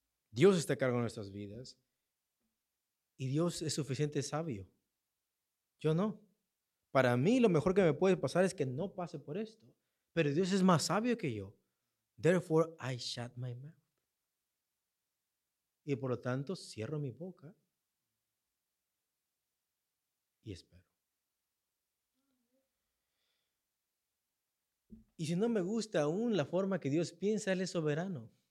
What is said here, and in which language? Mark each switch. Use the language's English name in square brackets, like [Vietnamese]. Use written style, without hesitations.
[Spanish] Dios está a cargo de nuestras vidas y Dios es suficiente sabio. Yo no. Para mí lo mejor que me puede pasar es que no pase por esto. Pero Dios es más sabio que yo. [English] Therefore, I shut my mouth. [Spanish] Y por lo tanto, cierro mi boca y espero. Y si no me gusta aún la forma que Dios piensa, Él es soberano.